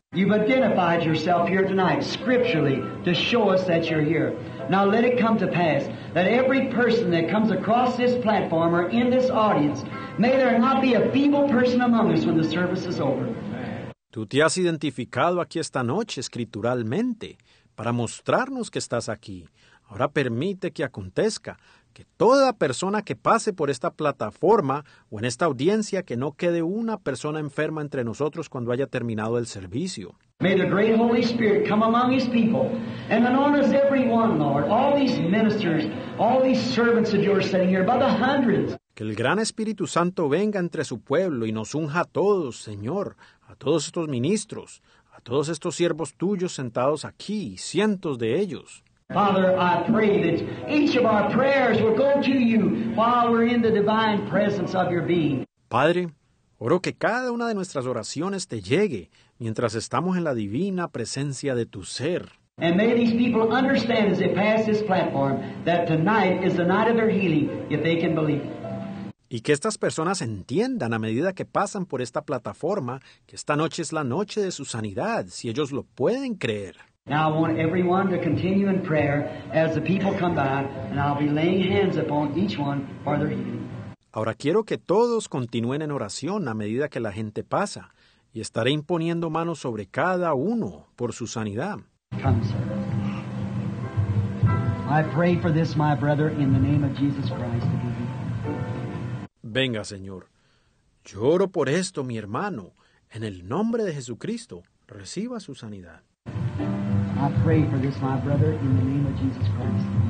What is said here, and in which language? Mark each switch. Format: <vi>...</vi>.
<en>You've identified yourself here tonight, scripturally, to show us that you're here. Now let it come to pass that every person that comes across this platform or in this audience, may there not be a feeble person among us when the service is over.</en> <es>Tú te has identificado aquí esta noche, escrituralmente, para mostrarnos que estás aquí. Ahora permite que acontezca que toda persona que pase por esta plataforma o en esta audiencia, que no quede una persona enferma entre nosotros cuando haya terminado el servicio.</es> <en>May the great Holy Spirit come among His people and anoint everyone, Lord, all these ministers, all these servants of yours sitting here, by the hundreds.</en> <es>Que el gran Espíritu Santo venga entre su pueblo y nos unja a todos, Señor, a todos estos ministros, a todos estos siervos tuyos sentados aquí, cientos de ellos.</es> <en>Father, I pray that each of our prayers will go to you while we're in the divine presence of your being.</en> <es>Padre, oro que cada una de nuestras oraciones te llegue mientras estamos en la divina presencia de tu ser.</es> <en>And may these people understand as they pass this platform that tonight is the night of their healing, if they can believe.</en> <es>Y que estas personas entiendan a medida que pasan por esta plataforma que esta noche es la noche de su sanidad, si ellos lo pueden creer.</es> <en>Now I want everyone to continue in prayer as the people come by, and I'll be laying hands upon each one for their healing.</en> <es>Ahora quiero que todos continúen en oración a medida que la gente pasa, y estaré imponiendo manos sobre cada uno por su sanidad.</es> <en>Come, sir. I pray for this, my brother, in the name of Jesus Christ.</en> <es>Venga, Señor. Lloro por esto, mi hermano. En el nombre de Jesucristo, reciba su sanidad.</es> <en>I pray for this, my brother, in the name of Jesus Christ.</en>